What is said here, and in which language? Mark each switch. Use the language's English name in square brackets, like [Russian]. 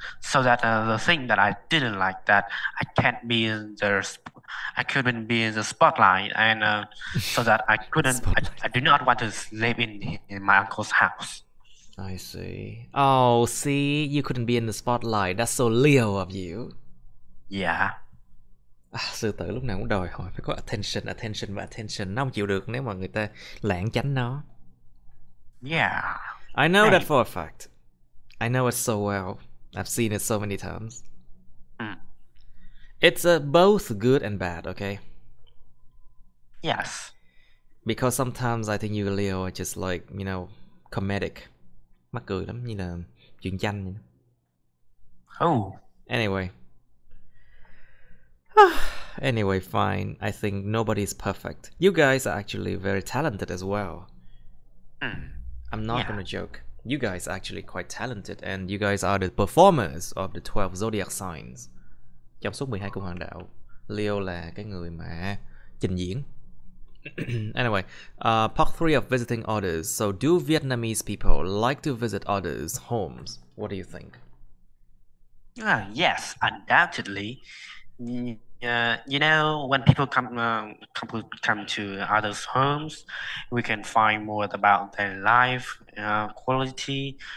[English] So that the thing that I didn't like, that I couldn't be in the spotlight, and so that I do not want to live in my uncle's house. I see. Oh, see, you couldn't be in the spotlight. That's so Leo of you. Yeah. [Vietnamese] Sư tử lúc nào cũng đòi hỏi phải có attention, attention và attention. Nó không chịu được nếu mà người ta lảng tránh nó. [English] Yeah. I know that Same. for a fact. I know it so well. I've seen it so many times. It's both good and bad, okay? Yes. Because sometimes I think you and Leo are just like, you know, comedic. [Vietnamese] Mắc cười lắm, như là chuyện tranh. Oh. [English] Anyway. Anyway, fine. I think nobody is perfect. You guys are actually very talented as well. I'm not gonna Yeah. joke. You guys are actually quite talented, and you guys are the performers of the 12 zodiac signs. [Vietnamese] Trong số 12 cung hoàng đạo, Leo là cái người mà trình diễn. [English] Anyway, part 3 of visiting others. So, do Vietnamese people like to visit others' homes? What do you think? Yes, undoubtedly. You know, when people come to others' homes, we can find more about their life quality.